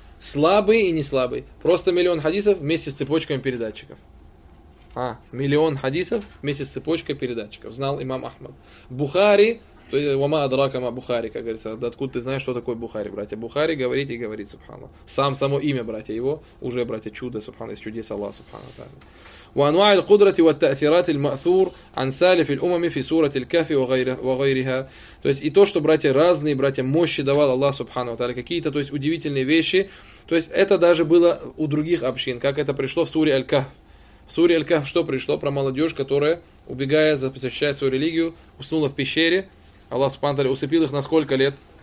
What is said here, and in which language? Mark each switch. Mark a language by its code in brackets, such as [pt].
[ru] Слабый и не слабый. Просто миллион хадисов вместе с цепочками передатчиков. А, миллион хадисов вместе с цепочкой передатчиков. Знал имам Ахмад. Бухари, то есть [ar] вама адракама [ru] Бухари, как говорится. Да откуда ты знаешь, что такое Бухари, братья? Бухари говорит и говорит, субханна. Само имя, братья, его уже, братья, чудо, субханна, из чудес Аллаха, субханна. [ar] وأنواع القدرة والتأثيرات المأثور عن سالف الأمم في سورة الكهف وغيرها. [ru] То есть и то, что братья разные, братья мощи давал Аллах Субхану ва Тааля, какие-то, то есть удивительные вещи. То есть это даже было у других общин, как это пришло в суре Аль-Кахф. В суре Аль-Кахф что пришло? Про молодежь, которая, убегая, защищая свою религию, уснула в пещере. Аллах Субхану ва Тааля усыпил их на сколько лет?